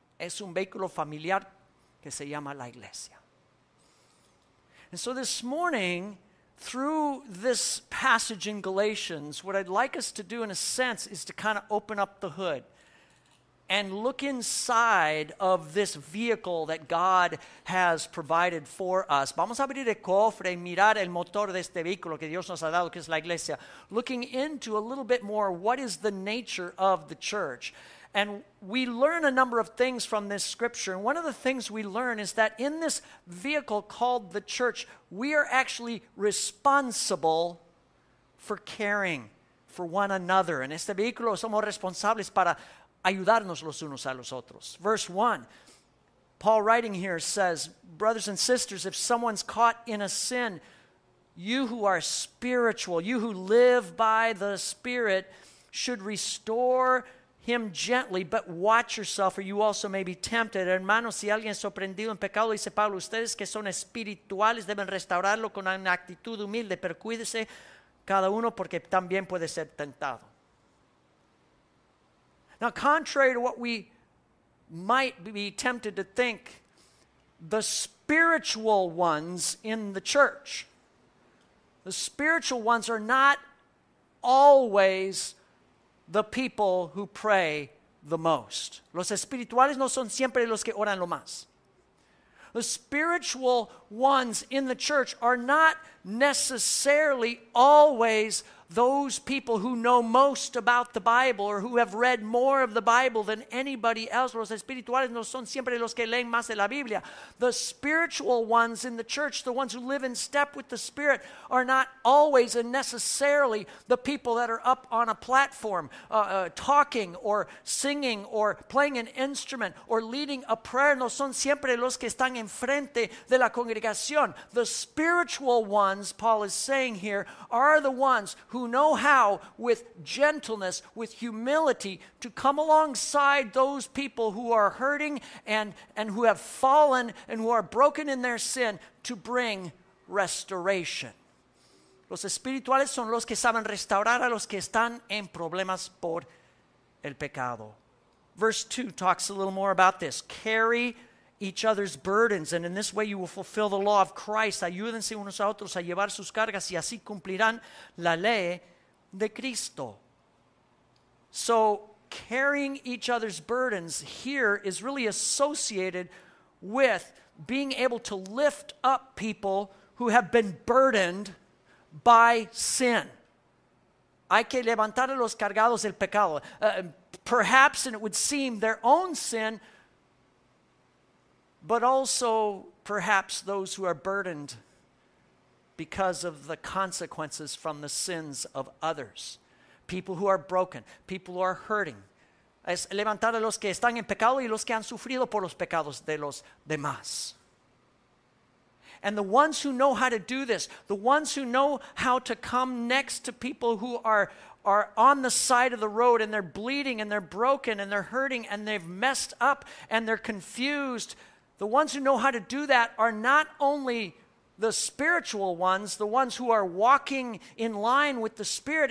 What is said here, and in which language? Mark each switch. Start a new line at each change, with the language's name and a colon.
Spanish: Es un vehículo familiar que se llama la iglesia.
English: And so this morning, through this passage in Galatians, what I'd like us to do in a sense is to kind of open up the hood and look inside of this vehicle that God has provided for us.
Spanish: Vamos a abrir el cofre y mirar el motor de este vehículo que Dios nos ha dado, que es la iglesia.
English: Looking into a little bit more, what is the nature of the church? And we learn a number of things from this scripture. And one of the things we learn is that in this vehicle called the church, we are actually responsible for caring for one another.
Spanish: En este vehículo somos responsables para ayudarnos los unos a los otros.
English: Verse 1, Paul writing here says, brothers and sisters, if someone's caught in a sin, you who are spiritual, you who live by the Spirit, should restore him gently, but watch yourself, or you also may be tempted.
Spanish: Hermanos, si alguien es sorprendido en pecado, dice Pablo, ustedes que son espirituales deben restaurarlo con una actitud humilde, pero cuídese cada uno porque también puede ser tentado.
English: Now, contrary to what we might be tempted to think, the spiritual ones in the church, the spiritual ones are not always the people who pray the most.
Spanish: Los espirituales no son siempre los que oran lo más.
English: The spiritual ones in the church are not necessarily always those people who know most about the Bible or who have read more of the Bible than anybody else.
Spanish: Los espirituales no son siempre los que leen más de la Biblia.
English: The spiritual ones in the church, the ones who live in step with the Spirit, are not always and necessarily the people that are up on a platform talking or singing or playing an instrument or leading a prayer.
Spanish: No son siempre los que están enfrente de la congregación.
English: The spiritual ones, Paul is saying here, are the ones who know how, with gentleness, with humility, to come alongside those people who are hurting and who have fallen and who are broken in their sin to bring restoration.
Spanish: Los espirituales son los que saben restaurar a los que están en problemas por el pecado.
English: Verse 2 talks a little more about this. Carry each other's burdens, and in this way you will fulfill the law of Christ.
Spanish: Ayúdense unos a otros a llevar sus cargas, y así cumplirán la ley de Cristo.
English: So, carrying each other's burdens here is really associated with being able to lift up people who have been burdened by sin.
Spanish: Hay que levantar a los cargados del pecado.
English: Perhaps, and it would seem, their own sin, but also perhaps those who are burdened because of the consequences from the sins of others. People who are broken, people who are hurting.
Spanish: Es levantar a los que están en pecado y los que han sufrido por los pecados de los demás.
English: And the ones who know how to do this, the ones who know how to come next to people who are on the side of the road and they're bleeding and they're broken and they're hurting and they've messed up and they're confused, the ones who know how to do that are not only the spiritual ones, the ones who are walking in line with the Spirit.